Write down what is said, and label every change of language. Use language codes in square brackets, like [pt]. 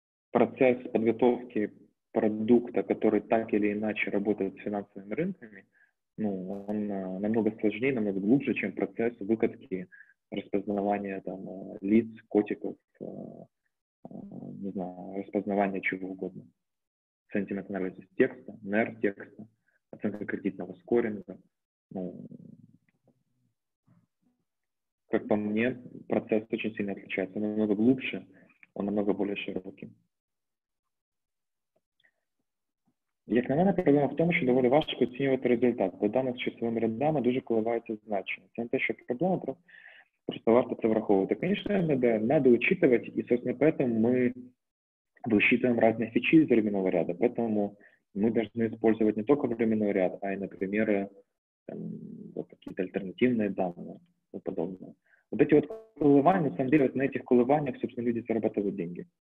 [ru] Процесс подготовки продукта, который так или иначе работает с финансовыми рынками, ну, он намного сложнее, намного глубже, чем процесс выкатки распознавания там, лиц, котиков, не знаю, распознавания чего угодно. Сентимент анализ текста, NER текста, оценка кредитного скоринга. Ну, как по мне, процесс очень сильно отличается. Он намного глубже, он намного более широкий. [uk] Як на мене, проблема в тому, що доволі важко оцінювати результат. По даних з часовими рядами дуже коливається значення. Це не те, що проблема, просто варто це враховувати. Звісно, треба учитувати, і, [ru] собственно, поэтому ми высчитываем разные фичи из временного ряда, поэтому мы должны использовать не только временной ряд, а и, например, там, вот какие-то альтернативные данные и подобное. Вот эти вот колебания, на самом деле, вот на этих колебаниях, собственно, люди зарабатывают деньги.